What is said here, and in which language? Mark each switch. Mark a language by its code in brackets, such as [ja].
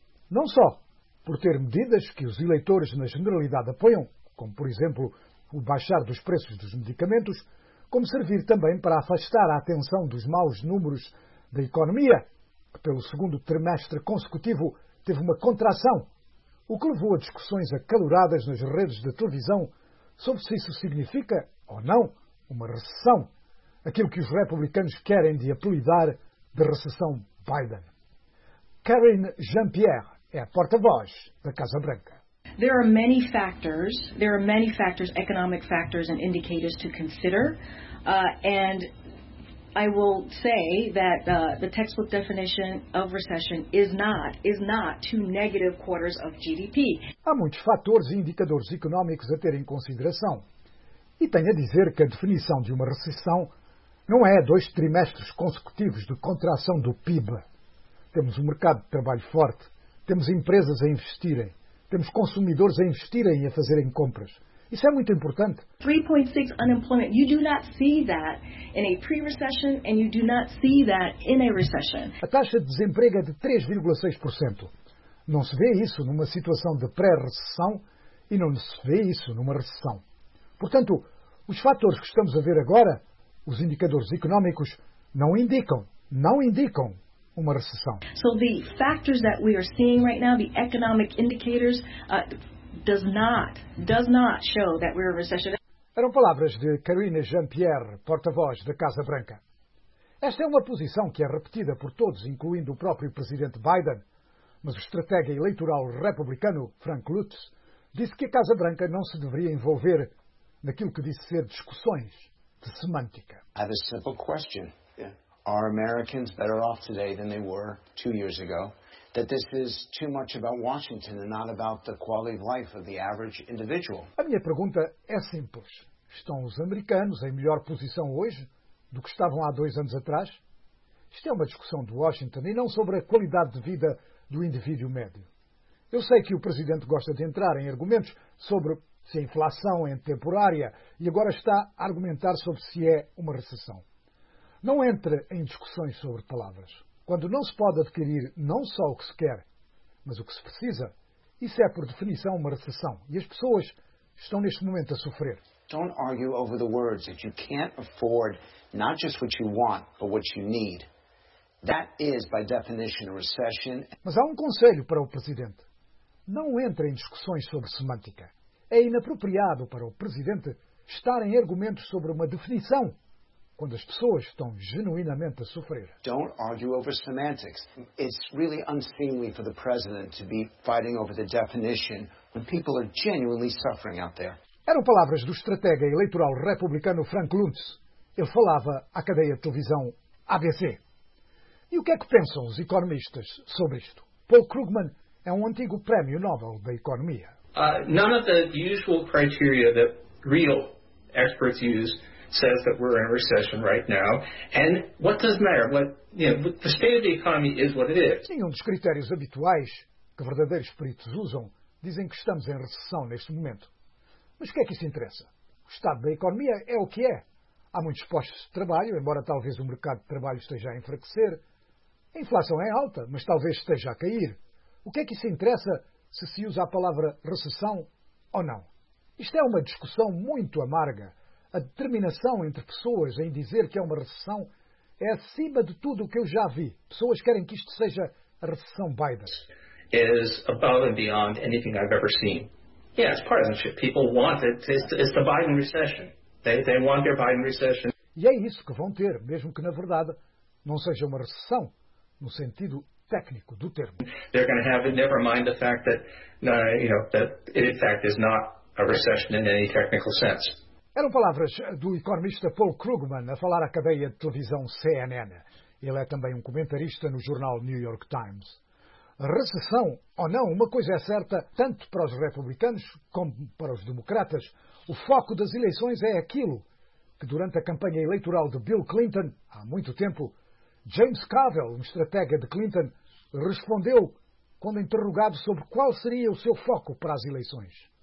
[pt] Não só por ter medidas que os eleitores na generalidade apoiam, como por exemplo o baixar dos preços dos medicamentos, como servir também para afastar a atenção dos maus números da economia, que pelo segundo trimestre consecutivo teve uma contração, o que levou a discussões acaloradas nas redes de televisão sobre se isso significa ou não uma recessão, aquilo que os republicanos querem de apelidar de recessão Biden. Karine Jean-Pierre é a porta-voz da Casa Branca. [en] There are many factors, economic factors and indicators to consider, and I will say that the textbook definition of recession is not two negative quarters of GDP. [pt] Há muitos fatores e indicadores económicos a ter em consideração. E tenho a dizer que a definição de uma recessão não é dois trimestres consecutivos de contração do PIB. Temos um mercado de trabalho forte, temos empresas a investirem, temos consumidores a investirem e a fazerem compras. Isso é muito importante. [en] 3.6 unemployment. You do not see that in a pre-recession and you do not see that in a recession. [pt] A taxa de desemprego é de 3,6%. Não se vê isso numa situação de pré-recessão e não se vê isso numa recessão. Portanto, os fatores que estamos a ver agora, os indicadores económicos, não indicam uma recessão. [en] So the factors that we are seeing right now, the economic indicators, does not show that we're in recession. [pt] Eram palavras de Karine Jean-Pierre, porta-voz da Casa Branca. Esta é uma posição que é repetida por todos, incluindo o próprio presidente Biden, mas o estratega eleitoral republicano, Frank Lutz, disse que a Casa Branca não se deveria envolver naquilo que disse ser discussões de semântica. [en] I have a simple question. Are Americans better off today than they were 2 years ago? That this is too much about Washington and not about the quality of life of the average individual. [pt] A minha pergunta é simples. Estão os americanos em melhor posição hoje do que estavam há 2 anos atrás? Isto é uma discussão de Washington e não sobre a qualidade de vida do indivíduo médio. Eu sei que o presidente gosta de entrar em argumentos sobre se a inflação é temporária e agora está a argumentar sobre se é uma recessão. Não entre em discussões sobre palavras. Quando não se pode adquirir não só o que se quer, mas o que se precisa, isso é, por definição, uma recessão. E as pessoas estão, neste momento, a sofrer. [en] Don't argue over the words that you can't afford not just what you want, but what you need. That is, by definition, a recession. [pt] Mas há um conselho para o presidente. Não entre em discussões sobre semântica. É inapropriado para o presidente estar em argumentos sobre uma definição quando as pessoas estão genuinamente a sofrer. [en] Don't argue over semantics. It's really unseemly for the president to be fighting over the definition when people are genuinely suffering out there. [pt] Eram palavras do estratega eleitoral republicano Frank Luntz. Ele falava à cadeia de televisão ABC. E o que é que pensam os economistas sobre isto? Paul Krugman é um antigo prémio Nobel da economia. [en] None of the usual criteria that real experts use says that we're in a recession right now, and what does matter? The state of the economy is what it is. [pt] Nenhum dos critérios habituais que verdadeiros peritos usam dizem que estamos em recessão neste momento. Mas o que é que isso interessa? O estado da economia é o que é. Há muitos postos de trabalho, embora talvez o mercado de trabalho esteja a enfraquecer. A inflação é alta, mas talvez esteja a cair. O que é que isso interessa se usa a palavra recessão ou não? Isto é uma discussão muito amarga. A determinação entre pessoas em dizer que é uma recessão é acima de tudo o que eu já vi. Pessoas querem que isto seja a recessão Biden. [en] Is above and beyond anything I've ever seen. Yeah, it's partisanship. People want it. It's the Biden recession. They want their Biden recession. [pt] E é isso que vão ter, mesmo que na verdade não seja uma recessão no sentido técnico do termo. [en] They're going to have it, never mind the fact that that it in fact is not a recession in any technical sense. [pt] Eram palavras do economista Paul Krugman a falar à cadeia de televisão CNN. Ele é também um comentarista no jornal New York Times. Recessão ou não, uma coisa é certa, tanto para os republicanos como para os democratas, o foco das eleições é aquilo que durante a campanha eleitoral de Bill Clinton, há muito tempo, James Carville, um estratega de Clinton, respondeu quando interrogado sobre qual seria o seu foco para as eleições.